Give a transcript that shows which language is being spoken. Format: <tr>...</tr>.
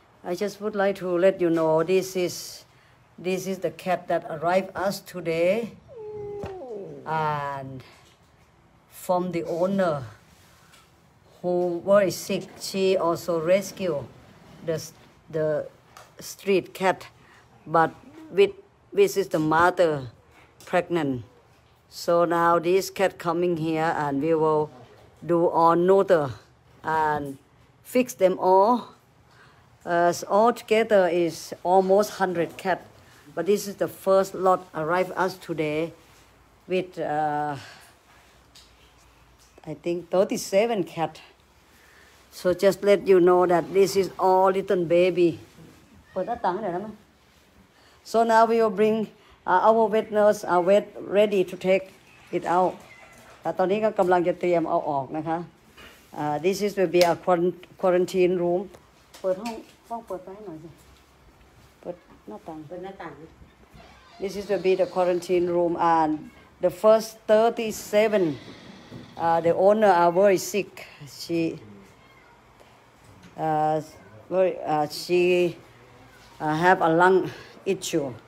<en>I just would like to let you know this is the cat that arrived us today and from the owner who very sick she also rescued the street cat but with this is the motherPregnant, so now this cat coming here, and we will do all neuter and fix them all. As all together is almost 100 cat, but this is the first lot arrive us today with I think 37 cat. So just let you know that this is all little baby. Put that down there, So now we will bring. Our vet nurse are vet ready to take it out.</en> <th>แต่ตอนนี้ก็กำลังจะเตรียมเอาออกนะคะ</th> <en>This is will be a quarantine room.</en> <th>เปิดห้องต้องเปิดไปให้หน่อยสิ เปิดหน้าต่าง เปิดหน้าต่าง</th> <en>This is will be the quarantine room and the first 37. The owner are very sick. She have a lung issue.</en>